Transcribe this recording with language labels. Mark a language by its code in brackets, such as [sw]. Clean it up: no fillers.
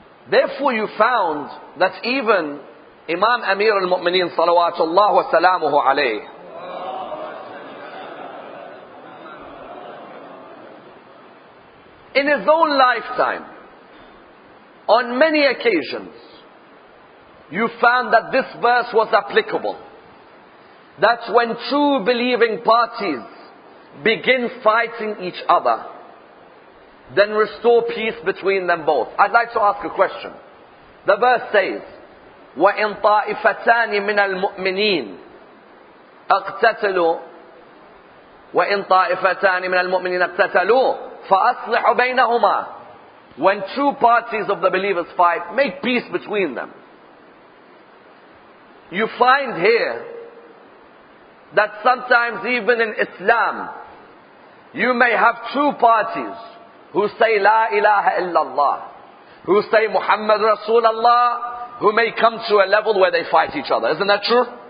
[en] Therefore, you found that even Imam Amir al-Mu'mineen, salawatullahu wa salamuhu alayhi, in his own lifetime, on many occasions, you found that this verse was applicable. That when two believing parties begin fighting each other, then restore peace between them both. I'd like to ask a question. The verse says, [ar] وَإِن طَائِفَتَانِ مِنَ الْمُؤْمِنِينَ اَقْتَتَلُوا وَإِن طَائِفَتَانِ مِنَ الْمُؤْمِنِينَ اَقْتَتَلُوا فَأَصْلِحُ بَيْنَهُمَا. [en] When two parties of the believers fight, make peace between them. You find here that sometimes even in Islam, you may have two parties who say La ilaha illallah, who say Muhammad Rasulullah, who may come to a level where they fight each other. Isn't that true?